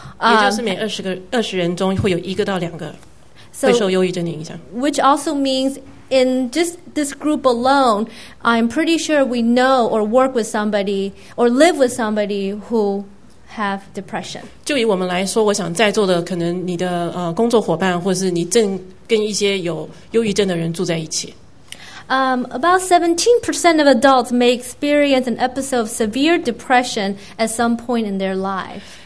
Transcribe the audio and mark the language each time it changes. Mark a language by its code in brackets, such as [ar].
[zh] 也就是每20个20人中会有1到2个会受忧郁症的影响。 [en] Which also means in just this group alone, I'm pretty sure we know or work with somebody or live with somebody who have depression. [zh] 就以我们来说，我想在座的可能你的 工作伙伴，或是你正跟一些有忧郁症的人住在一起。 [en] About 17% of adults may experience an episode of severe depression at some point in their life.